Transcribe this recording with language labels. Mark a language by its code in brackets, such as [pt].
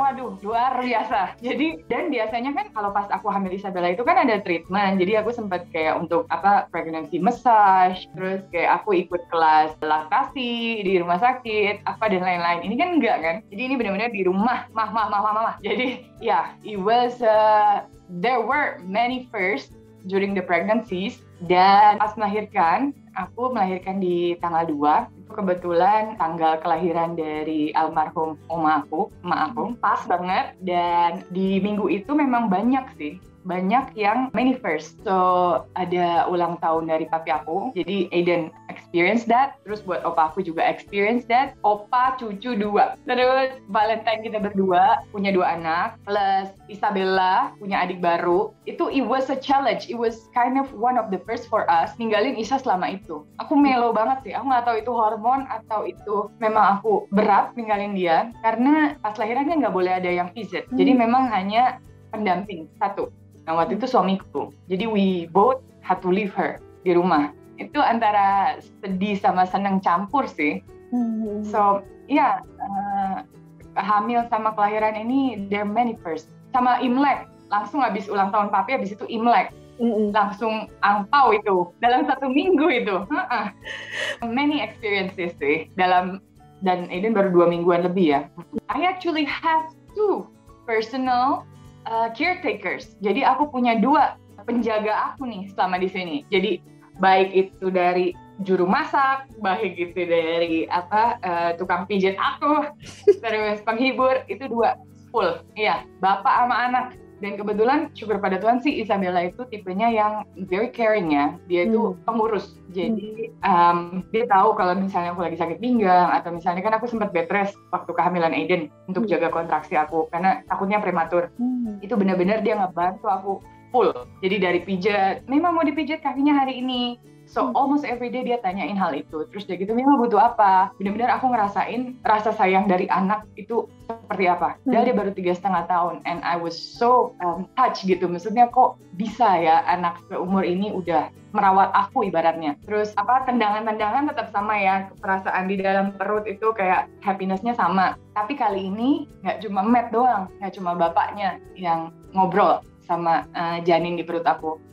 [id] Waduh, luar biasa. Jadi, dan biasanya kan kalau pas aku hamil Isabella itu kan ada treatment. Jadi aku sempat kayak untuk apa pregnancy massage, terus kayak aku ikut kelas laktasi di rumah sakit apa dan lain-lain. Ini kan enggak kan, jadi ini benar-benar di rumah mah. Jadi ya [en] yeah, it was there were many firsts during the pregnancies. [id] Dan pas melahirkan, aku melahirkan di tanggal 2, itu kebetulan tanggal kelahiran dari almarhum emak aku pas banget. Dan di minggu itu memang banyak sih, banyak yang [en] many first. [id] So ada ulang tahun dari papi aku, jadi Aiden [en] experience that, [id] terus buat opa aku juga experience that, opa cucu dua, terus Valentine kita berdua punya dua anak, plus Isabella punya adik baru. [en] Itu it was a challenge, it was kind of one of the first for us [id] ninggalin Isa selama itu. Aku melo banget sih, aku nggak tahu itu hormon atau itu memang aku berat ninggalin dia, karena pas lahirannya nggak boleh ada yang visit. Jadi memang hanya pendamping satu. Nah, waktu itu suamiku. [en] Jadi we both had to leave her [id] di rumah. Itu antara sedih sama senang campur sih. So, ya, hamil sama kelahiran ini [en] there many first. [id] Sama Imlek, langsung habis ulang tahun papi habis itu Imlek. Langsung angpau itu dalam satu minggu itu. [en] Many experiences [id] sih dalam, dan ini baru 2 mingguan lebih ya. [en] I actually have 2 personal caretakers. [id] Jadi aku punya 2 penjaga aku nih selama di sini. Jadi baik itu dari juru masak, baik itu dari apa tukang pijat aku, terus penghibur, itu 2 full. Iya, bapak sama anak. Dan kebetulan syukur pada Tuhan sih Isabella itu tipenya yang [en] very caring [id] ya. Dia itu pengurus. Jadi dia tahu kalau misalnya aku lagi sakit pinggang atau misalnya kan aku sempat bed rest waktu kehamilan Aiden untuk jaga kontraksi aku karena takutnya prematur. Itu benar-benar dia ngebantu aku full. Jadi dari pijat, memang mau dipijat kakinya hari ini. [en] So almost every day [id] dia tanyain hal itu. Terus dia gitu, Mima butuh apa? Benar-benar aku ngerasain rasa sayang dari anak itu seperti apa. Dan dia baru 3,5 tahun. [en] And I was so touched gitu. [id] Maksudnya kok bisa ya anak seumur ini udah merawat aku ibaratnya. Terus apa tendangan-tendangan tetap sama ya. Perasaan di dalam perut itu kayak happiness-nya sama. Tapi kali ini gak cuma Matt doang. Gak cuma bapaknya yang ngobrol sama janin di perut aku.